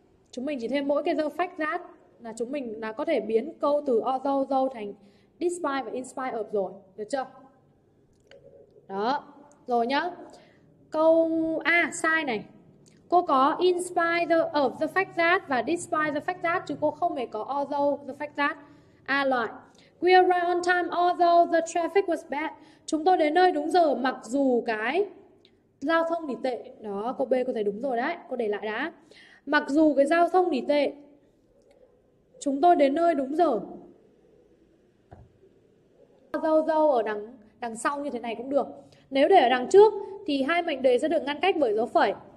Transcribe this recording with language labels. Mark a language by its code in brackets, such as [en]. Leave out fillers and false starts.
[vi] Chúng mình chỉ thêm mỗi cái [en] the fact that [vi] là chúng mình là có thể biến câu từ [en] although though [vi] thành despite và inspire of rồi, được chưa? Đó. Rồi nhá. Câu A sai này. Cô có [en] inspire of the fact that [vi] và [en] despite the fact that [vi] chứ cô không hề có [en] although the fact that. [vi] A loại. [en] We arrived on time although the traffic was bad. [vi] Chúng tôi đến nơi đúng giờ mặc dù cái giao thông thì tệ. Đó, cô B cô thấy đúng rồi đấy. Cô để lại đã. Mặc dù cái giao thông thì tệ. Chúng tôi đến nơi đúng giờ. Dâu ở đằng đằng sau như thế này cũng được. Nếu để ở đằng trước thì hai mệnh đề sẽ được ngăn cách bởi dấu phẩy.